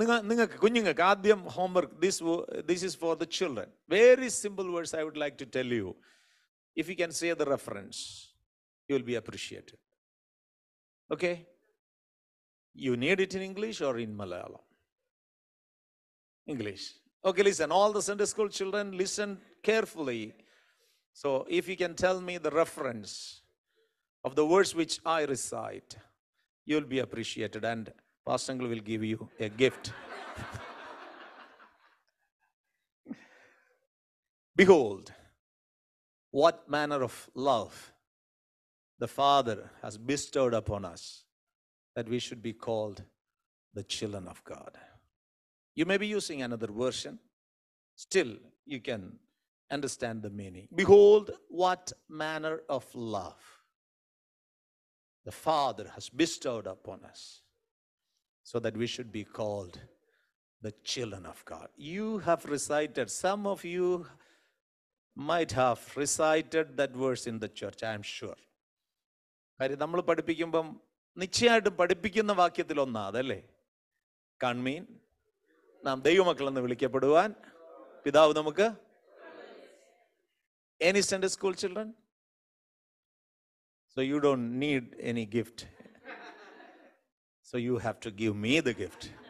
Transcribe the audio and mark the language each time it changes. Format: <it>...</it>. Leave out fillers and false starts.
<ml>നിങ്ങൾക്ക് കുഞ്ഞുങ്ങൾക്ക് ആദ്യം</ml> <en>Homework, this is for the children. Very simple words I would like to tell you. If you can say the reference you will be appreciated. Okay, you need it in English or in Malayalam? English. Okay, listen, all the Sunday school children, listen carefully. So if you can tell me the reference of the words which I recite, you will be appreciated and Pastor Angle will give you a gift. Behold, what manner of love the Father has bestowed upon us that we should be called the children of God. You may be using another version, still you can understand the meaning. Behold what manner of love the Father has bestowed upon us so that we should be called the children of God. You have recited, some of you might have recited that verse in the church, I am sure.</en> <ml>കാര്യം നമ്മൾ പഠിപ്പിക്കുമ്പം നിശ്ചയമായിട്ടും പഠിപ്പിക്കുന്ന വാക്യത്തിലൊന്നാ അതല്ലേ? കൺമീൻ നാം ദൈവമക്കളെന്ന് വിളിക്കപ്പെടുവാൻ പിതാവ് നമുക്ക്.</ml> <en>Any Sunday school children? So you don't need any gift, so you have to give me the gift.</en>